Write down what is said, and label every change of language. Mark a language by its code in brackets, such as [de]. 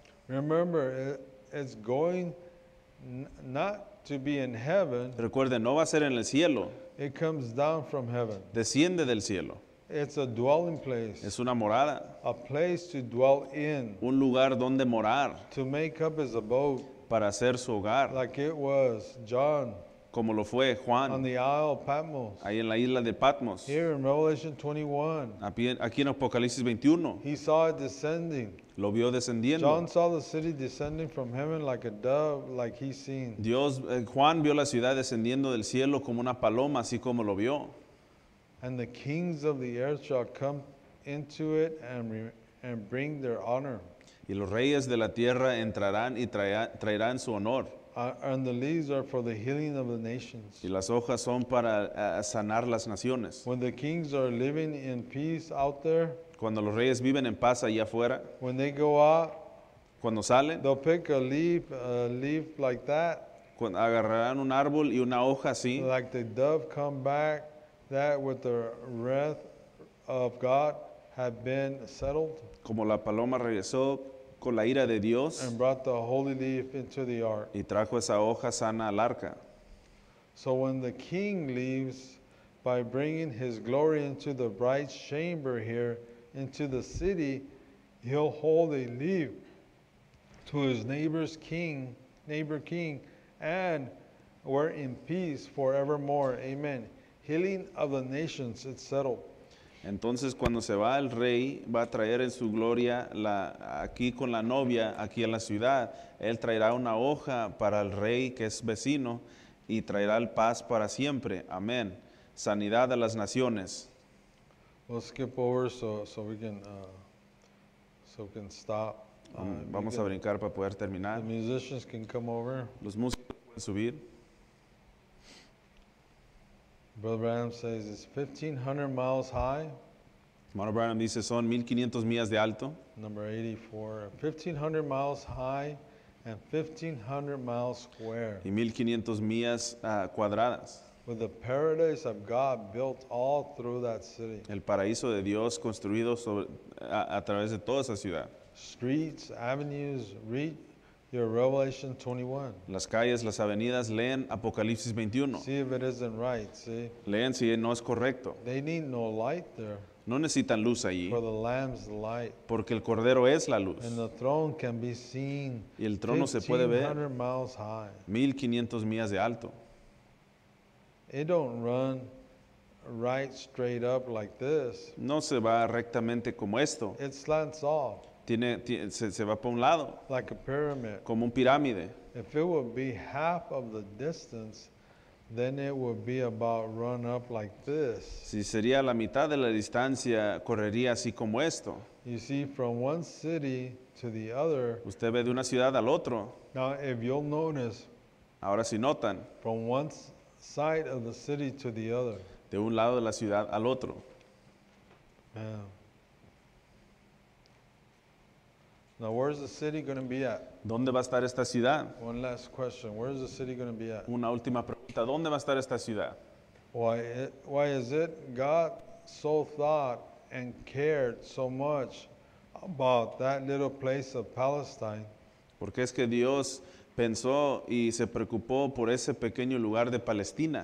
[en] Remember, it's going not to be in heaven. [es] Recuerden, no va a ser en el cielo. [en] It comes down from heaven. [es] Desciende del cielo. [en] It's a dwelling place. [es] Es una morada. [en] A place to dwell in. [es] Un lugar donde morar. [en] To make up his abode. [es] Para hacer su hogar. [en] Like it was John. [es] Como lo fue Juan. [en] On the Isle of Patmos. [es] Ahí en la isla de Patmos. [en] Here in Revelation 21. [es] Aquí en Apocalipsis 21. [en] He saw it descending. [es] Lo vio descendiendo. [en] John saw the city descending from heaven like a dove, like he seen. [es] Dios, Juan vio la ciudad descendiendo del cielo como una paloma, así como lo vio. [en] And the kings of the earth shall come into it and bring their honor. [es] Y los reyes de la tierra entrarán y traerán su honor. [en] And the leaves are for the healing of the nations. [es] Y las hojas son para sanar las naciones. [en] When the kings are living in peace out there. [es] Cuando los reyes viven en paz allá afuera. [en] When they go out. [es] Cuando salen. [en] They'll pick a leaf like that. [es] Cuando agarrarán un árbol y una hoja así. [en] Like the dove come back that with the wrath of God have been settled. [es] Como la paloma regresó con la ira de Dios. [en] And brought the holy leaf into the ark. [es] Y trajo esa hoja sana al arca. [en] So when the king leaves by bringing his glory into the bride's chamber here, into the city, he'll hold a leaf to his neighbor king, and we're in peace forevermore. Amen. Healing of the nations, it's settled. [es] Entonces, cuando se va el rey, va a traer en su gloria la aquí con la novia, aquí en la ciudad. Él traerá una hoja para el rey que es vecino y traerá el paz para siempre. Amén. Sanidad a las naciones. [en] We'll skip over so we can stop. [es] Vamos a brincar para poder terminar. [en] The musicians can come over. [es] Los músicos pueden subir. [en] Brother Branham says it's 1,500 miles high. [es] Hermano Branham dice son 1,500 millas de alto. [en] Number 84, 1,500 miles high and 1,500 miles square. [es] Y 1,500 millas cuadradas. [en] With the paradise of God built all through that city. [es] El paraíso de Dios construido sobre a través de toda esa ciudad. [en] Streets, avenues, read your Revelation 21. [es] Las calles, las avenidas, leen Apocalipsis 21. [en] See if it isn't right. See. [es] Leen si no es correcto. [en] They need no light there. [es] No necesitan luz allí. [en] For the Lamb's light. [es] Porque el Cordero es la luz. [en] And the throne can be seen. [es] Y el trono se puede ver. [en] 1,500 miles high. [es] 1,500 millas de alto. [en] It don't run right straight up like this. [es] No se va rectamente como esto. [en] It slants off. [es] Se va para un lado. [en] Like a pyramid. [es] Como un pirámide. [en] If it would be half of the distance, then it would be about run up like this. [es] Si sería la mitad de la distancia, correría así como esto. [en] You see, from one city to the other. [es] Usted ve de una ciudad al otro. [en] Now, if you'll notice. [es] Ahora si notan. [en] From one side of the city to the other. [es] De un lado de la ciudad al otro. [en] Man. Now, where's the city going to be at? [es] ¿Dónde va a estar esta ciudad? [en] One last question. Where's the city going to be at? [es] Una última pregunta. ¿Dónde va a estar esta ciudad? [en] Why is it God so thought and cared so much about that little place of Palestine? [es] Porque es que Dios pensó y se preocupó por ese pequeño lugar de Palestina.